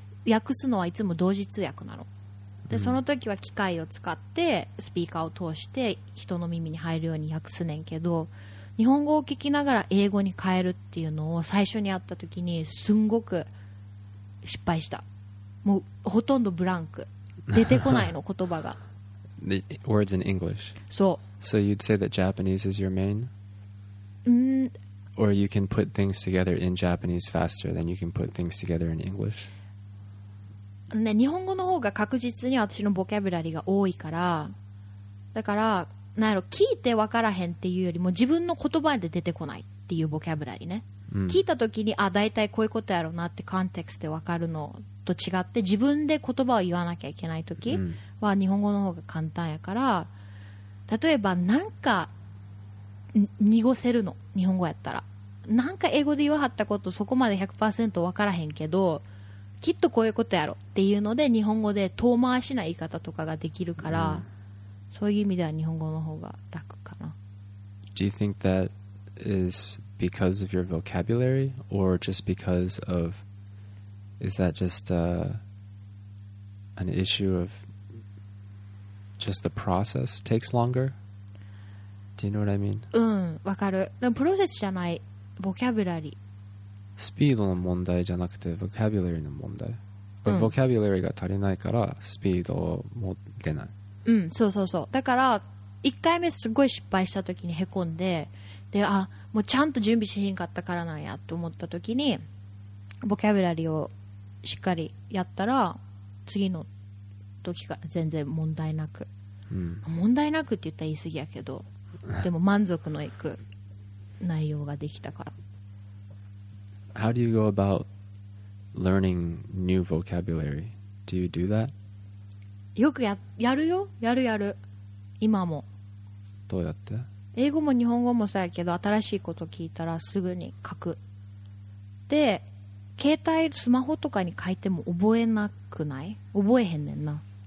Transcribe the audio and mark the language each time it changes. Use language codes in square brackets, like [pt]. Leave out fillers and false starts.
[ja] 訳すのはいつも同時通訳なの、でその時は機械を使ってスピーカーを通して人の耳に入るように訳すねんけど、日本語を聞きながら英語に変えるっていうのを最初にやったときにすんごく失敗した。もうほとんどブランク、出てこないの言葉が。 [en] The words in English. So. So you'd say that Japanese is your main? Or you can put things together in Japanese faster than you can put things together in English? [ja] ね、日本語の方が確実に私のボキャブラリーが多いから、だから、なんやろ、聞いてわからへんっていうよりも自分の言葉で出てこないっていうボキャブラリーね。聞いた時に、あ、大体こういうことやろうなってコンテクストでわかるのと違って、自分で言葉を言わなきゃいけない時、は日本語の方が簡単やから、例えばなんか濁せるの、日本語やったらなんか英語で言わはったことそこまで 100% 分からへんけど、きっとこういうことやろっていうので日本語で遠回しな言い方とかができるから、そういう意味では日本語の方が楽かな。 [en] Do you think that is because of your vocabulary or just because of is that just an issue ofJust the process takes longer? Do you know what I mean? [ja] うん、わかる。でもプロセスじゃない、ボキャブラリー。スピードの問題じゃなくて、ボキャブラリーの問題。うん、ボキャビュラリーが足りないからスピードも出ない。うん、そうそうそう。だから1回目すごい失敗した時にへこんで、で、あ、もうちゃんと準備しへんかったからなんやと思った時に、ボキャビュラリーをしっかりやったら次の時から全然問題なく、うん、問題なくって言ったら言い過ぎやけど、でも満足のいく内容ができたから。 [en] How do you go about learning new vocabulary? Do you do that? [ja] よく やるよ、やるやる、今も。どうやって？英語も日本語もそうやけど、新しいこと聞いたらすぐに書く。で、携帯、スマホとかに書いても覚えなくない？覚えへんねんな。